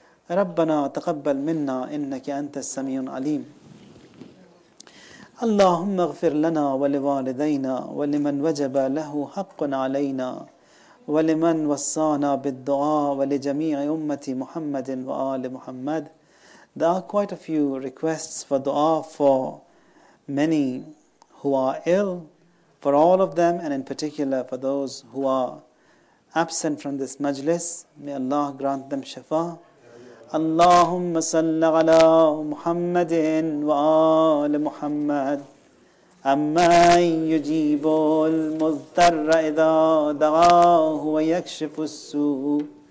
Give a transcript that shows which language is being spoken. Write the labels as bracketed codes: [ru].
[ar] رَبَّنَا تَقَبَّلْ مِنَّا إِنَّكَ أَنْتَ السَّمِيعُ الْعَلِيمُ اللهم اغفر لنا ولوالدينا ولمن وجب له حق علينا ولمن وصانا بالدعاء ولجميع أمة محمد وآل محمد. [en] There are quite a few requests for dua for many who are ill, for all of them, and in particular for those who are absent from this majlis. May Allah grant them shafa. [ar] اللهم صل على محمد وآل محمد أما يجيب المضطر إذا دعاه ويكشف السوء